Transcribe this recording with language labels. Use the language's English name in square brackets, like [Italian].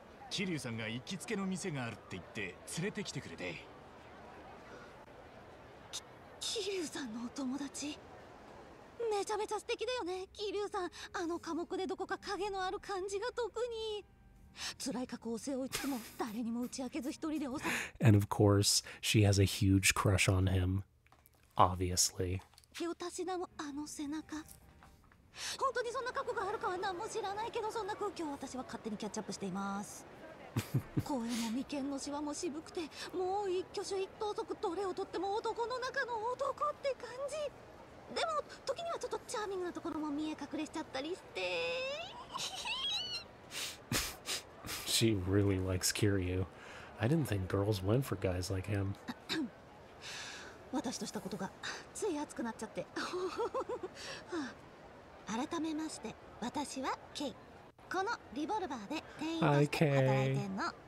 [Japanese] 桐生さんが行きつけの店があるって言って連れてきてくれて。桐生さんのお友達？めちゃめちゃ素敵だよね、キリュウさん。あの寡黙でどこか影のある感じが特に。辛い過去を背負いつつも誰にも打ち明けず一人でおさ。 [English] And of course, she has a huge crush on him. Obviously. [Japanese] 気をたしなむあの背中。本当にそんな過去があるかは何も知らないけど、そんな空気を私は勝手にキャッチアップしています。声も眉間のシワも渋くて、もう一挙手一投足どれをとっても男の中の男って感じ。でも時にはちょっとチャーミングなところも見え隠れしちゃったりして。 [English] She really likes Kiryu. I didn't think girls went for guys like him. [Japanese] 私としたことがつい熱くなっちゃって。改めまして、私はケイ。このリボルバーで店員として働いてんの。